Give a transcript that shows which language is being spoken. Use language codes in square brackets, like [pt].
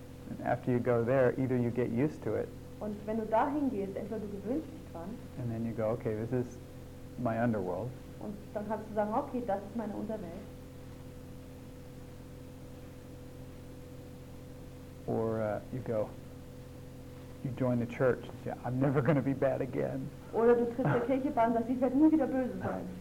[en] And after you go there, either you get used to it. [de] Und wenn du dahin gehst, entweder du gewöhnst dich dran. [en] And then you go, okay, this is my underworld. [de] Und dann kannst du sagen, okay, das ist meine Unterwelt. [en] Or you go, you join the church and say, I'm never going to be bad again. [de] Oder du trittst der Kirche bei und sagst, ich werde nie wieder böse sein.